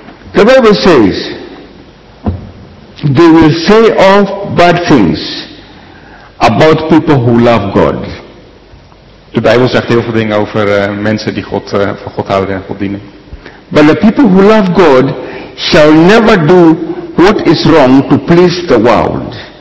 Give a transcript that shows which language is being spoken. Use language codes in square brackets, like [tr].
[en] The Bible says, they will say all bad things about people who love God. [nl] De Bijbel zegt heel veel dingen over mensen die God van God houden en God dienen. [en] But the people who love God shall never do what is wrong to please the world.